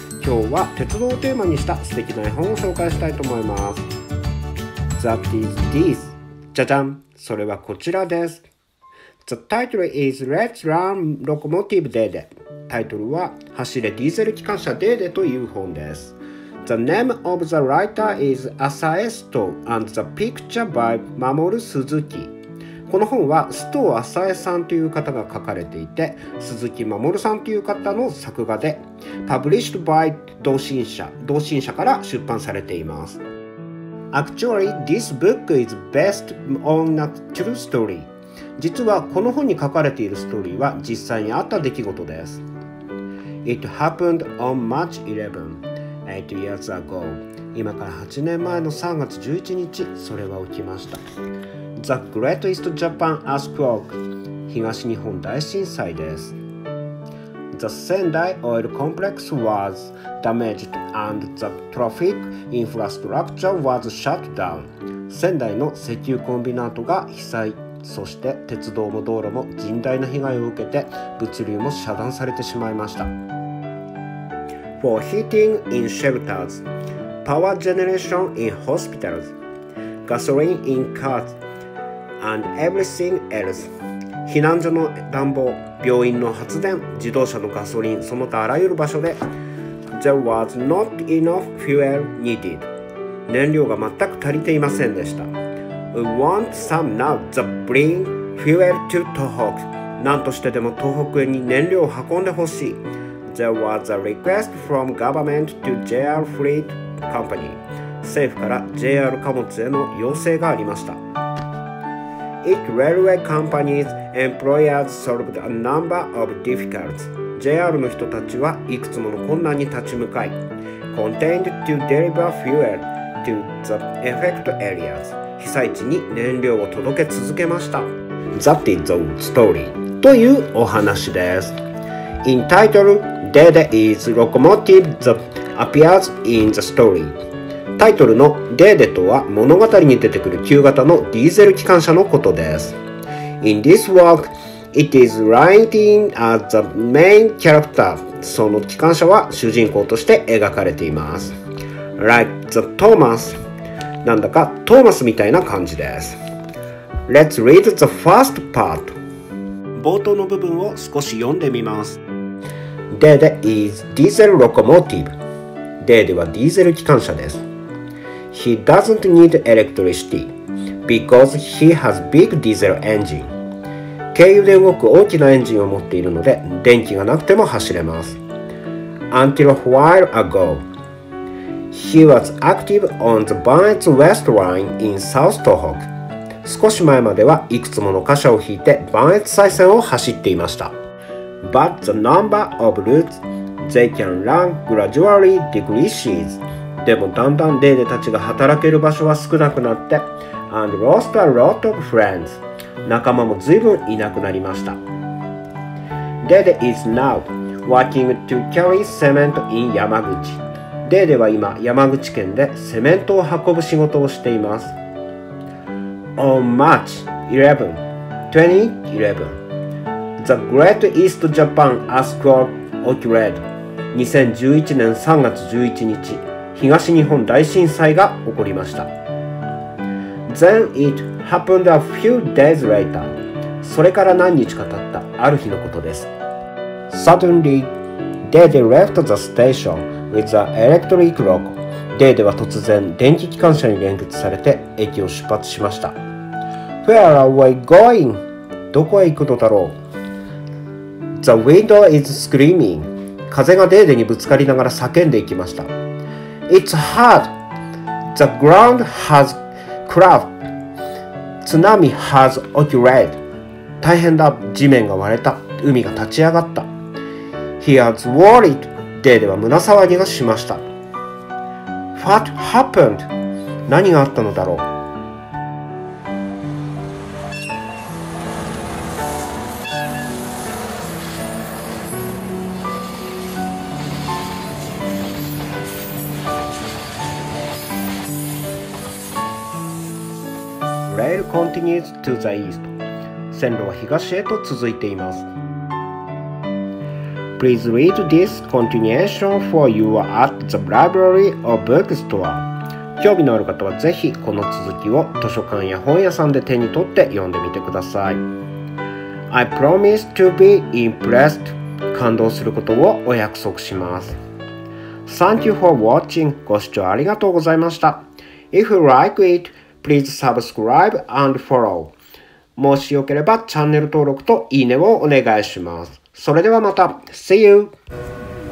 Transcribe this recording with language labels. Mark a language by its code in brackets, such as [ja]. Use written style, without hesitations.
[ja] 今日は鉄道をテーマにした素敵な絵本を紹介したいと思います。 [en] That is this. [ja] じゃじゃん。それはこちらです。 [en] The title is Let's Run Locomotive Dede. [ja] タイトルは走れディーゼル機関車デーデという本です。 [en] The name of the writer is Asae Sto and the picture by 守鈴木。 [ja] この本は須藤浅江さんという方が書かれていて、鈴木守さんという方の作画で [en] Published by [ja] 童心社、童心社から出版されています。 [en] Actually, this book is based on a true story. [ja] 実はこの本に書かれているストーリーは実際にあった出来事です。 [en] It happened on March 11, 8 years ago. [ja] 今から8年前の3月11日、それは起きました。 [en] The Great East Japan Earthquake、 [ja] 東日本大震災です。 [en] The Sendai Oil Complex was damaged and the traffic infrastructure was shut down。 [ja] Sendai の石油コンビナートが被災、そして鉄道も道路も甚大な被害を受けて物流も遮断されてしまいました。 [en] For heating in shelters、 Power generation in hospitals、 Gasoline in carsAnd everything else. [ja] 避難所の暖房、病院の発電、自動車のガソリン、その他あらゆる場所で [en] There was not enough fuel needed. [ja] 燃料が全く足りていませんでした。 [en] We want some now to bring fuel to Tohoku. [ja] 何としてでも東北に燃料を運んでほしい。 [en] There was a request from government to JR Fleet Company. [ja] 政府から JR 貨物への要請がありました。 [en] Each railway company's employers solved a number of difficulties. [ja] JR の人たちはいくつもの困難に立ち向かい、 [en] contained to deliver fuel to the affected areas. [ja] 被災地に燃料を届け続けました。 [en] That is the story. [ja] というお話です。 [en] In title, Dede is locomotive that appears in the story. [ja] タイトルのデーデとは物語に出てくる旧型のディーゼル機関車のことです。 [en] In this work, it is writing as the main character. [ja] その機関車は主人公として描かれています。 [en] Like the Thomas. [ja] なんだかトーマスみたいな感じです。 [en] Let's read the first part. [ja] 冒頭の部分を少し読んでみます。 [en] デーデ is diesel locomotive. [ja] デーデはディーゼル機関車です。 [en] He doesn't need electricity because he has big diesel engine. [ja] 軽油で動く大きなエンジンを持っているので電気がなくても走れます。 [en] Until a while ago, he was active on the Banetsu West Line in South Tohoku. [ja] 少し前まではいくつもの貨車を引いて Banetsu 西線を走っていました。 [en] But the number of routes they can run gradually decreases. [ja] でもだんだんデーデたちが働ける場所は少なくなって [en] And lost a lot of friends. [ja] 仲間も随分いなくなりました。 [en] デーデ is now working to carry cement in 山口。 [ja] デーデは今山口県でセメントを運ぶ仕事をしています。 [en] On March 11, 2011, The Great East Japan Earthquake occurred. [ja] 2011年3月11日東日本大震災が起こりました。 [en] Then it happened a few days later. [ja] それから何日か経ったある日のことです。 [en] Suddenly, Dede left the station with an electric loco. [ja] Dede は突然電気機関車に連結されて駅を出発しました。 [en] Where are we going? [ja] どこへ行くのだろう [en] ?The window is screaming. [ja] 風がDedeにぶつかりながら叫んでいきました。 [en] It's hard. The ground has cracked. Tsunami has occurred. [ja] 大変だ。地面が割れた。海が立ち上がった。 [en] He has worried. [ja] デーデは胸騒ぎがしました。 [en] What happened? [ja] 何があったのだろう。 [en] Rail continues to the east. [ja] 線路は東へと続いています。 [en] Please read this continuation for you at the library or bookstore. [ja] 興味のある方はぜひこの続きを図書館や本屋さんで手に取って読んでみてください。 [en] I promise to be impressed. [ja] 感動することをお約束します。 [en] Thank you for watching. [ja] ご視聴ありがとうございました。 [en] If you like it, please subscribe and follow. [ja] もしよければチャンネル登録といいねをお願いします。それではまた。 [en] See you!